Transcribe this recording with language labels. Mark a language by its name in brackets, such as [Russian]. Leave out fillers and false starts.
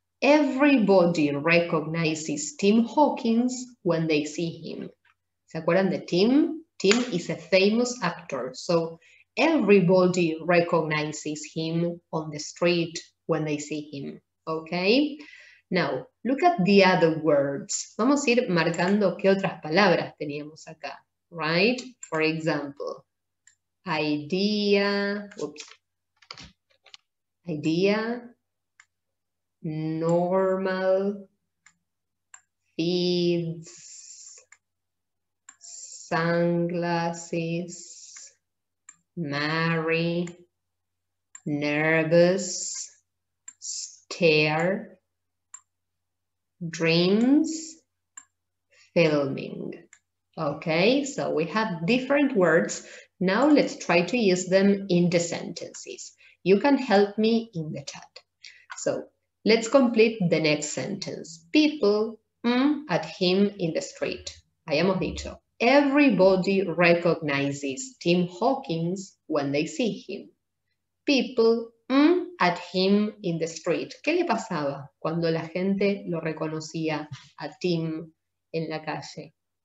[English] Everybody recognizes Tim Hawkins when they see him. [Spanish] ¿Se acuerdan de Tim? [English] Tim is a famous actor. So everybody recognizes him on the street when they see him. Okay, now look at the other words. [Spanish] Vamos a ir marcando qué otras palabras teníamos acá, right? [English] For example, idea, idea, normal, feeds, sunglasses, marry, nervous, tear, dreams, filming. Okay, so we have different words. Now let's try to use them in the sentences. You can help me in the chat. So let's complete the next sentence. People at him in the street. [Spanish] Hayamos dicho, [English] everybody recognizes Tim Hawkins when they see him. People at him in the street. [Spanish] ¿Qué le pasaba cuando la gente lo reconocía a Tim en la calle?